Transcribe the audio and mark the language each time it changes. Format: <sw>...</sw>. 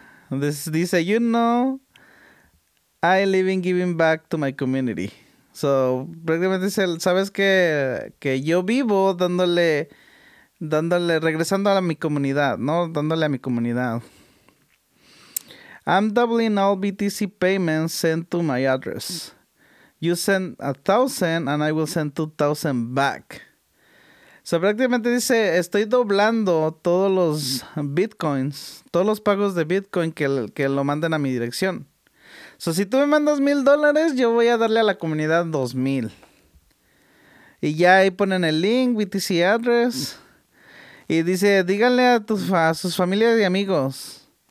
<en>Dice, you know, I live in giving back to my community.</en> <es>So, prácticamente dice, ¿sabes que yo vivo dándole, regresando a mi comunidad, ¿no? Dándole a mi comunidad.</es> <en>I'm doubling all BTC payments sent to my address. You send 1,000 and I will send 2,000 back.</en> <es>So, prácticamente dice, estoy doblando todos los bitcoins, todos los pagos de bitcoin que lo manden a mi dirección. So, si tú me mandas $1,000, yo voy a darle a la comunidad 2,000. Y ya ahí ponen el link, BTC address. Y dice, díganle a sus familias y amigos.</es>